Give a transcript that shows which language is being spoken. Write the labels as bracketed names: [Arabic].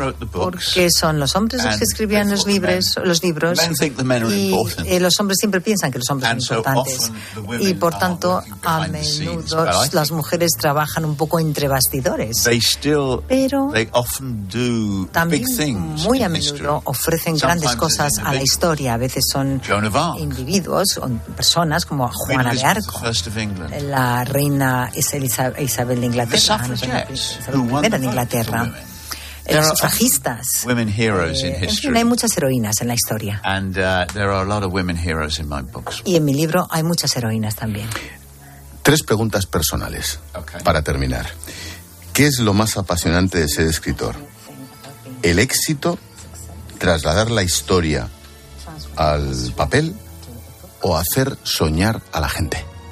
[Spanish] Porque son los hombres los que escribían los libros y los hombres siempre piensan que los hombres son importantes y por tanto a menudo las mujeres trabajan un poco entre bastidores, pero también muy a menudo ofrecen grandes cosas a la historia. A veces son individuos o personas como Juana de Arco, la reina Isabel de Inglaterra, la primera de Inglaterra. Los sufragistas. [English] Women heroes in history. [Spanish] En fin, hay muchas heroínas en la historia. [English] And there are a lot of women heroes in my books. [Spanish] Y en mi libro hay muchas heroínas también. Tres preguntas personales para terminar. ¿Qué es lo más apasionante de ser escritor? ¿El éxito, trasladar la historia al papel o hacer soñar a la gente?